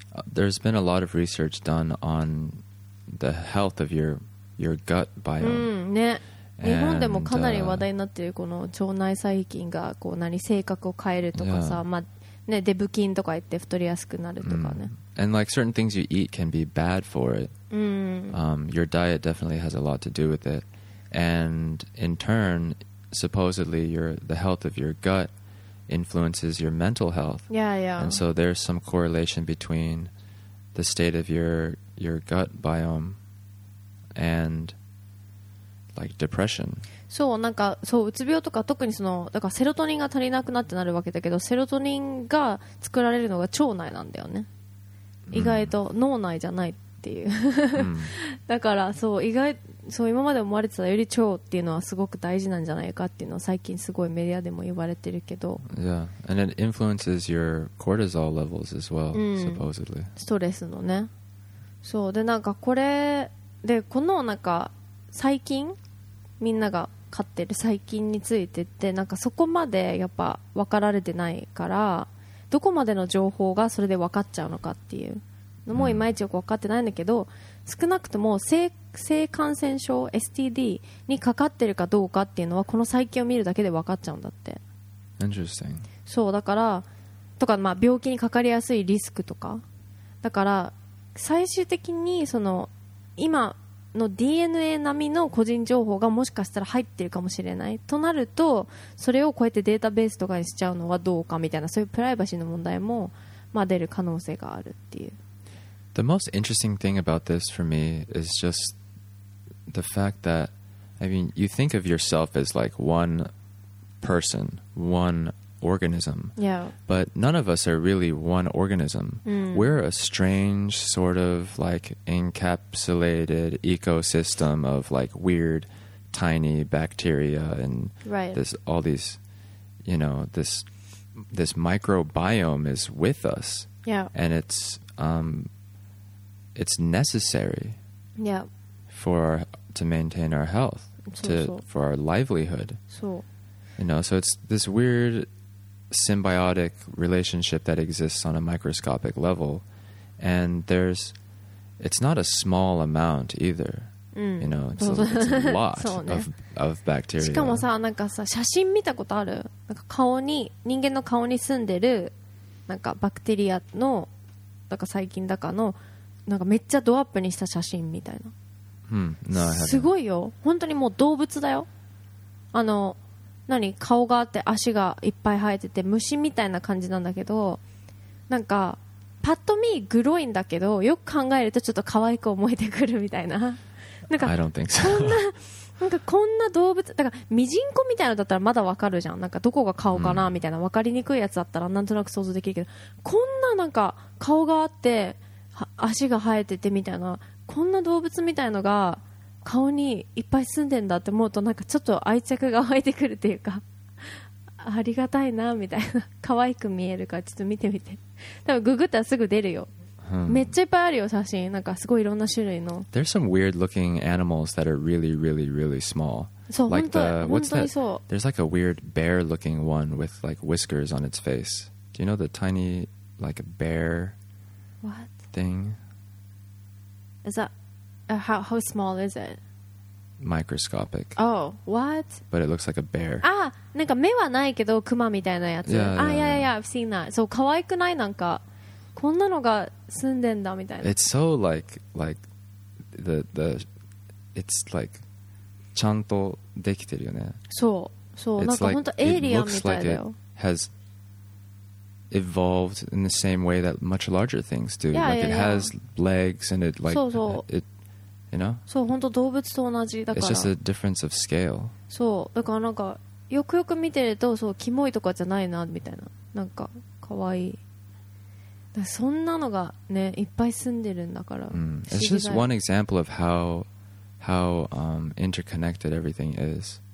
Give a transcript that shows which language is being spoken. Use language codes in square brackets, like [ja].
[en] There's been a lot of research done on the health of your gut biome. [ja] うんね、日本でもかなり話題になっているこの腸内細菌がこう何性格を変えるとかさ、yeah. まあね、デブ菌とか言って太りやすくなるとかね、mm. [en] And like certain things you eat can be bad for it、 mm. Your diet definitely has a lot to do with it. And in turn, supposedly the health of your gut influences your mental health. Yeah, yeah. And so there's some correlation between the state of your gut biome andLike、depression. [ja] そう、なんかそう、うつ病とか特にそのだからセロトニンが足りなくなってなるわけだけど、セロトニンが作られるのが腸内なんだよね、意外と脳内じゃないっていう、だからそう、意外そう、今まで思われてたより腸っていうのはすごく大事なんじゃないかっていうのは最近すごいメディアでも言われてるけど、 [en] Yeah, and it influences your cortisol levels as well, supposedly. [ja] ストレスのね、そうで、なんかこれでこのなんか細菌、みんなが飼ってる細菌についてってなんかそこまでやっぱ分かられてないから、どこまでの情報がそれで分かっちゃうのかっていうのもいまいちよく分かってないんだけど、少なくとも 性感染症 STD にかかってるかどうかっていうのはこの細菌を見るだけで分かっちゃうんだって。 [en] Interesting. [ja] そうだからとか、まあ病気にかかりやすいリスクとかだから最終的にその今の DNA 並みの個人情報がもしかしたら入ってるかもしれないとなると、それをこうやってデータベースとかにしちゃうのはどうかみたいな、そういうプライバシーの問題も、まあ、出る可能性があるっていう。 [en] The most interesting thing about this for me is just the fact that, I mean, you think of yourself as like one person, one organism. Yeah. But none of us are really one organism. Mm. We're a strange sort of like encapsulated ecosystem of like weird tiny bacteria and right. this all these, you know, this microbiome is with us. Yeah. And it's necessary. Yeah. For to maintain our health, for our livelihood. So. You know, so it's this weird symbiotic relationship that exists on a microscopic level, and there's it's not a small amount either、 [ja] うん、 [en] you know it's a lot、ね、of bacteria. [ja] しかもさ、なんかさ、写真見たことある？なんか顔に、人間の顔に住んでるなんかバクテリアのなんか細菌だかのなんかめっちゃドアップにした写真みたいな、うん、すごいよ、本当にもう動物だよ、あの何、顔があって足がいっぱい生えてて虫みたいな感じなんだけど、なんかパッと見グロいんだけど、よく考えるとちょっと可愛く思えてくるみたいな、 [en] なんか、I don't think so. [ja] こんな、なんかこんな動物、だからミジンコみたいなのだったらまだわかるじゃん。なんかどこが顔かなみたいな、わかりにくいやつだったらなんとなく想像できるけど、こんななんか顔があって足が生えててみたいな、こんな動物みたいのが顔にいっぱい住んでんだって思うと、なんかちょっと愛着が湧いてくるっていうか、ありがたいなみたいな、可愛く見えるからちょっと見てみて、多分ググったらすぐ出るよ。めっちゃいっぱいあるよ写真、なんかすごいいろんな種類の。 [en] There's some weird looking animals that are really, really, really small. [ja] そう、like、本当にそう。 [en] There's like a weird bear looking one with like whiskers on its face. Do you know the tiny like bear what? thing? Is that how small is it? Microscopic. Oh, what? But it looks like a bear. [ja] あ、なんか目はないけどクマみたいなやつ。 [en] Yeah, yeah, yeah. yeah. I've seen that. [ja] そう、可愛くないなんか。こんなのが住んでんだみたいな。 [en] It's so like the it's like [ja] ちゃんとできてるよね。そうそう、なんか本当エイリアンみたいだよ。 [en] It looks like it has evolved in the same way that much larger things do. Yeah, yeah, it has legs and it like [ja] そうそう [en] it you know. [ja] そう、本当動物と同じだから。 [en] It's just a difference of scale. [ja] そうだから、なんかよくよく見てると、そうキモいとかじゃないなみたいな、なんか可愛い。そんなのがね、いっぱい住んでるんだから。 [en] It's just one example of how interconnected everything is.